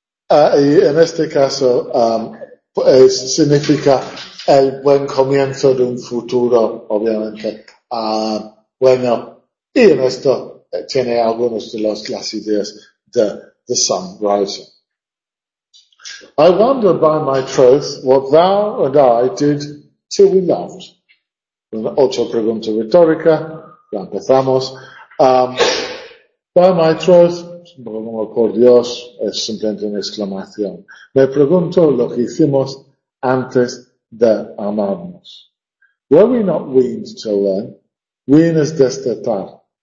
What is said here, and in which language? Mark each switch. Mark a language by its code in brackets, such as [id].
[es] Y en este caso, significa el buen comienzo de un futuro, obviamente. Bueno, y en esto tiene algunas de las ideas de The Sun Rising. [en] I wonder by my troth what thou and I did till we loved. [es] Una otra pregunta retórica, ya empezamos. [en] By my troth, [es] como por Dios, es simplemente una exclamación. Me pregunto lo que hicimos antes de amarnos. [en] Were we not weaned till then? Wean [es] es destetar.